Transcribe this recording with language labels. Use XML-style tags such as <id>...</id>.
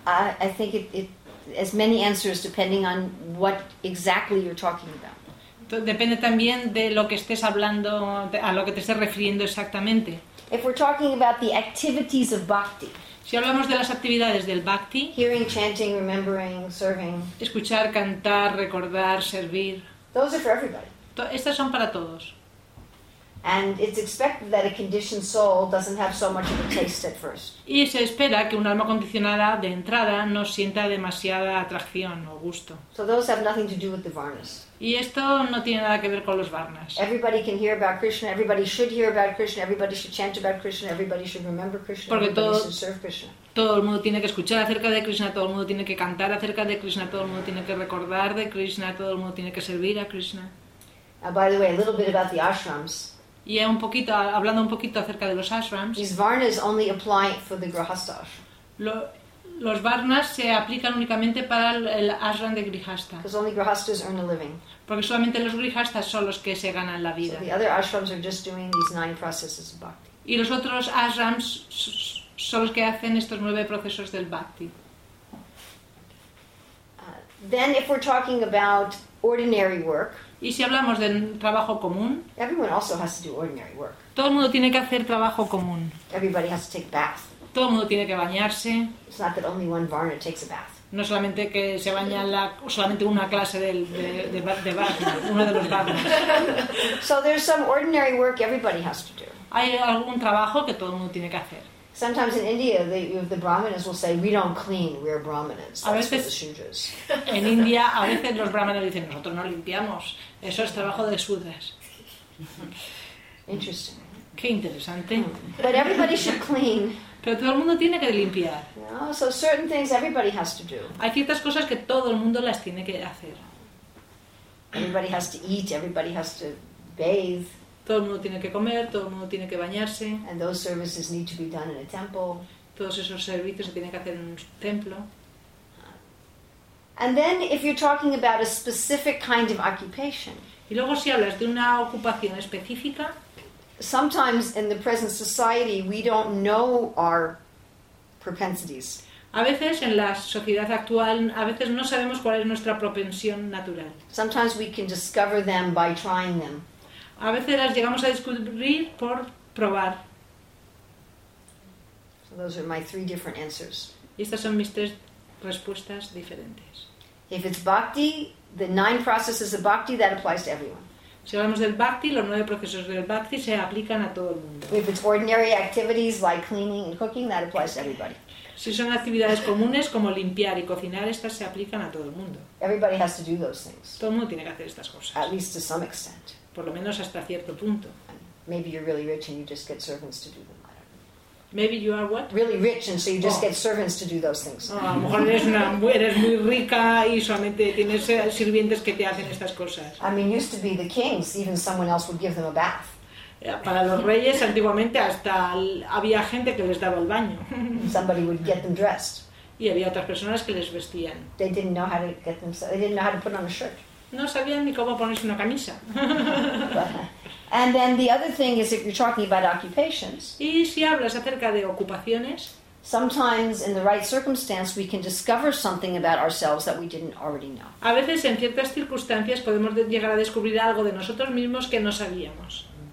<en>I think it has many answers depending on what exactly you're talking about.</en> <es>Depende también de lo que estés hablando, a lo que te estés refiriendo exactamente.</es> <en>If we're talking about the activities of bhakti,</en> <es>si hablamos de las actividades del bhakti,</es> <en>hearing, chanting, remembering, serving,</en> <es>escuchar, cantar, recordar, servir,</es> <en>those are for everybody.</en> <es>Estas son para todos.</es> <en>And it's expected that a conditioned soul doesn't have so much of a taste at first.</en> <es>Y se espera que un alma condicionada de entrada no sienta demasiada atracción o gusto.</es> <en>So those have nothing to do with the varnas.</en> <es>Y esto no tiene nada que ver con los varnas.</es> <en>Everybody can hear about Krishna. Everybody should hear about Krishna. Everybody should chant about Krishna. Everybody should remember Krishna.</en> <es>Porque</es> <en>everybody should serve Krishna.</en> <es>Todo el mundo tiene que escuchar acerca de Krishna. Todo el mundo tiene que cantar acerca de Krishna. Todo el mundo tiene que recordar de Krishna. Todo el mundo tiene que servir a Krishna.</es> <en>By the way, a little bit about the ashrams.</en> <es>Y un poquito, hablando un poquito acerca de los ashrams.</es> <en>These varnas only apply for the grihastha ashram.</en> <es>Los varnas se aplican únicamente para el ashram de grihastha.</es> <en>Because only grihasthas earn a living.</en> <es>Porque solamente los grihasthas son los que se ganan la vida.</es> <en>So the other ashrams are just doing these 9 processes of bhakti.</en> <es>Y los otros ashrams son los que hacen estos 9 procesos del bhakti.</es> <en>Then if we're talking about ordinary work.</en> <es>Y si hablamos de trabajo común.</es> <en>Everyone also has to do ordinary work.</en> <es>Todo el mundo tiene que hacer trabajo común.</es> <en>Everybody has to take baths.</en> <es>Todo el mundo tiene que bañarse.</es> <en>It's not that only one varna takes a bath.</en> <es>No solamente que se baña solamente una clase de varna, uno de los varnas.</es> <en>So there's some ordinary work everybody has to do.</en> <es>Hay algún trabajo que todo el mundo tiene que hacer.</es> <en>Sometimes in India, the brahmanas will say, "We don't clean, we are brahmanas."</en> <es>A veces,</es> <en>the shudras.</en> <es>En India, a veces los brahmanas dicen, "Nosotros no limpiamos, eso es trabajo de shudras."</es> <en>Interesting.</en> <es>Qué interesante.</es> <en>But everybody should clean.</en> <es>Pero todo el mundo tiene que limpiar.</es> <en>No, so certain things everybody has to do.</en> <es>Hay ciertas cosas que todo el mundo las tiene que hacer.</es> <en>Everybody has to eat, everybody has to bathe.</en> <es>Todo el mundo tiene que comer, todo el mundo tiene que bañarse.</es> <en>And those services need to be done in a temple.</en> <es>Todos esos servicios se tienen que hacer en un templo.</es> <en>And then if you're talking about a specific kind of occupation.</en> <es>Y luego si hablas de una ocupación específica.</es> <en>Sometimes in the present society we don't know our propensities.</en> <es>A veces en la sociedad actual a veces no sabemos cuál es nuestra propensión natural.</es> <en>Sometimes we can discover them by trying them.</en> <es>A veces las llegamos a descubrir por probar.</es> <en>So those are my 3 different answers.</en> <es>Y estas son mis 3 respuestas diferentes.</es> <en>If it's bhakti, the 9 processes of bhakti, that applies to everyone.</en> <es>Si hablamos del bhakti, los 9 procesos del bhakti se aplican a todo el mundo.</es> <en>If it's ordinary activities like cleaning and cooking, that applies to everybody.</en> <es>Si son actividades comunes como limpiar y cocinar, estas se aplican a todo el mundo.</es> <en>Everybody has to do those things.</en> <es>Todo el mundo tiene que hacer estas cosas.</es> <en>At least to some extent.</en> <es>Por lo menos hasta cierto punto.</es> <en>Maybe you're really rich and you just get servants to do them. Maybe you are what? Really rich and so you just get servants to do those things.</en> <es>A lo mejor eres muy rica y solamente tienes sirvientes que te hacen estas cosas.</es> <en>I mean, used to be the kings, even someone else would give them a bath.</en> <es>Para los reyes, antiguamente, hasta había gente que les daba el baño.</es> <en>Somebody would get them dressed.</en> <es>Y había otras personas que les vestían.</es> <en>They didn't know how to get themselves, they didn't know how to put on a shirt.</en> <es>No sabían ni cómo ponerse una camisa.</es> <en>And then the other thing is if you're talking about occupations.</en> <es>Y si hablas acerca de ocupaciones.</es> <en>Sometimes in the right circumstance we can discover something about ourselves that we didn't already know.</en> <es>A veces en ciertas circunstancias podemos llegar a descubrir algo de nosotros mismos que no sabíamos.</es>